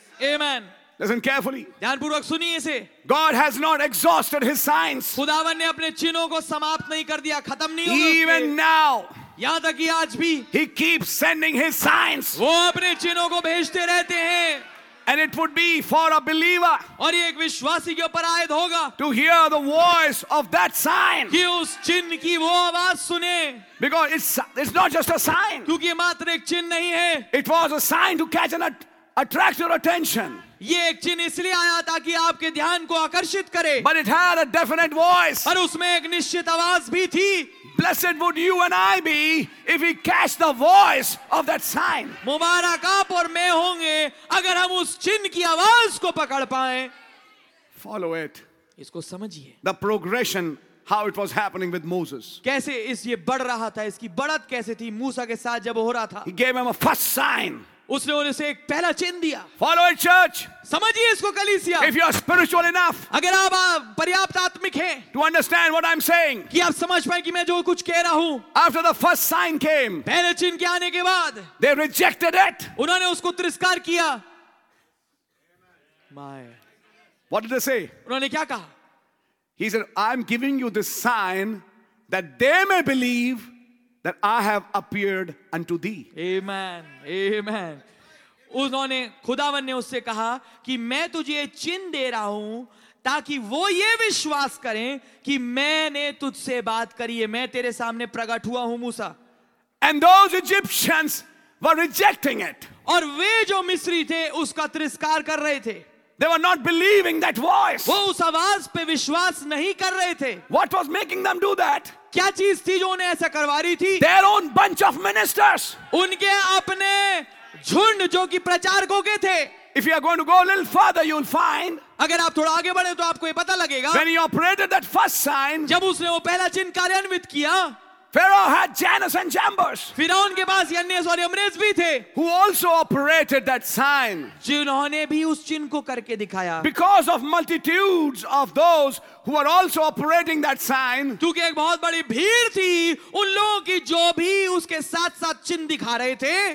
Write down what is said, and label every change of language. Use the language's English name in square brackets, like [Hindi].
[English] Amen. Listen carefully. [Hindi] ध्यानपूर्वक सुनिए इसे. [English] God has not exhausted his signs. [Hindi] खुदावन ने अपने चिन्हों को समाप्त नहीं कर दिया, खत्म नहीं हुए. [English] Even now. [Hindi] यहां तक कि आज भी. [English] He keeps sending his signs. [Hindi] वो अपने चिन्हों को भेजते रहते हैं. [English] And it would be for a believer. [Hindi] और ये एक विश्वासी के ऊपर आयद होगा. [English] To hear the voice of that sign. [Hindi] कि उस चिन्ह की वो आवाज सुने. [English] Because it's not just a sign. [Hindi] क्योंकि मात्र एक चिन्ह नहीं है. [English] It was a sign to catch and attract your attention. [Hindi] ये एक चिन्ह इसलिए आया ताकि आपके ध्यान को आकर्षित करे. [English] But it had a definite voice. [Hindi] और उसमें एक निश्चित आवाज भी थी. [English] Blessed would you and I be if we catch the voice of that sign. [Hindi] मुबारक आप और मैं होंगे अगर हम उस चिन्ह की आवाज को पकड़ पाएं. [English] Follow it. [Hindi] इसको समझिए. [English] The progression, how it was happening with Moses. [Hindi] कैसे इस ये बढ़ रहा था, इसकी बढ़त कैसे थी मूसा के साथ जब हो रहा था. [English] He gave him a first sign. [Hindi] उसने उन्हें एक पहला चिन्ह दिया. [English] Follow it, church. [Hindi] समझिए इसको कलीसिया. [English] If you are spiritual enough, [Hindi] अगर आप पर्याप्त आत्मिक हैं, [English] to understand what I'm saying, [Hindi] कि आप समझ पाएं कि मैं जो कुछ कह रहा हूँ. [English] After the first sign came, [Hindi] पहले चिन्ह के आने के बाद, [English] they rejected it. [Hindi] उन्होंने उसको तिरस्कार किया. [English] My, what did they say? [Hindi] उन्होंने क्या कहा? [English] He said, I'm giving you this sign that they may believe that I have appeared unto thee. Amen. Amen. [Hindi] उन्होंने खुदावन ने उससे कहा कि मैं तुझे चिन्ह दे रहा हूं ताकि वो ये विश्वास करें कि मैंने तुझसे बात करी है, मैं तेरे सामने प्रकट हुआ हूं मूसा. [English] And those Egyptians were rejecting it. [Hindi] और वे जो मिस्री थे उसका तिरस्कार कर रहे थे. [English] They were not believing that voice. [Hindi] वो उस आवाज पे विश्वास नहीं कर रहे थे. [English] What was making them do that? [Hindi] क्या चीज थी जो उन्हें ऐसा करवा रही थी? [English] Their own bunch of ministers. [Hindi] उनके अपने झुंड जो कि प्रचारकों के थे. [English] If you are going to go a little further, you'll find. [Hindi] अगर आप थोड़ा आगे बढ़े तो आपको ये पता लगेगा. [English] When he operated that first sign. [Hindi] जब उसने वो पहला चिन्ह कार्यान्वित किया. [English] Pharaoh had Janus and Jambres. [Hindi] फिरौन के पास यन्नेस और यम्रेस भी थे. [English] Who also operated that sign. [Hindi] जिन्होंने भी उस चिन्ह को करके दिखाया. [English] Because of multitudes of those who were also operating that sign. [Hindi] क्योंकि एक बहुत बड़ी भीड़ थी उन लोगों की जो भी उसके साथ साथ चिन्ह दिखा रहे थे.